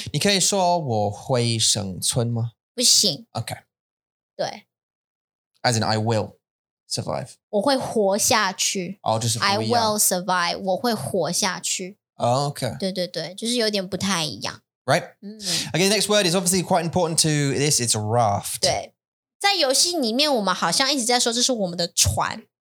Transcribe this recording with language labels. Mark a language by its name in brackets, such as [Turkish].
[Chinese] 你可以说我会生存吗不行 [English] OK [Chinese] 对 [English] As in I will survive [Chinese] 我会活下去、 oh, 就是不一样 [English] I will survive [Chinese] 我会活下去、 [English] oh, OK [Chinese] 对对对就是有点不太一样 [English] Right? Okay, the next word is obviously quite important to this. It's a raft. [Chinese] 对。在游戏里面我们好像一直在说这是我们的船。